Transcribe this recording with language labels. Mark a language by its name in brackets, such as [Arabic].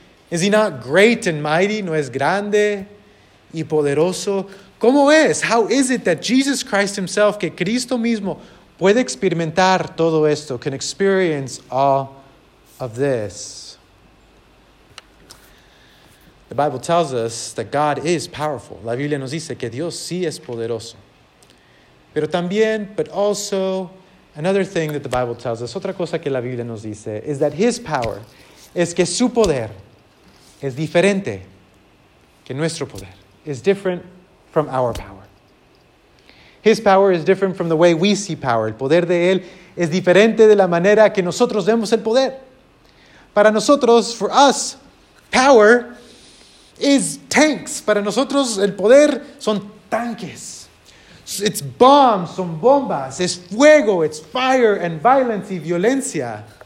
[English] Is he not great and mighty? [Spanish] ¿No es grande y poderoso? ¿Cómo es? [English] How is it that Jesus Christ himself, [Spanish] que Cristo mismo, puede experimentar todo esto, [English] can experience all of this? The Bible tells us that God is powerful. [Spanish] La Biblia nos dice que Dios sí es poderoso. Pero también, [English] but also, another thing that the Bible tells us, [Spanish] otra cosa que la Biblia nos dice, [English] is that his power, [Spanish] es que su poder es diferente que nuestro poder. [English] Is different from our power. His power is different from the way we see power. [Spanish] El poder de él es diferente de la manera que nosotros vemos el poder. Para nosotros, [English] for us, power is tanks. [Spanish] Para nosotros, el poder son tanques. [English] It's bombs, [Spanish] son bombas. Es fuego, [English] it's fire and violence [Spanish] y violencia.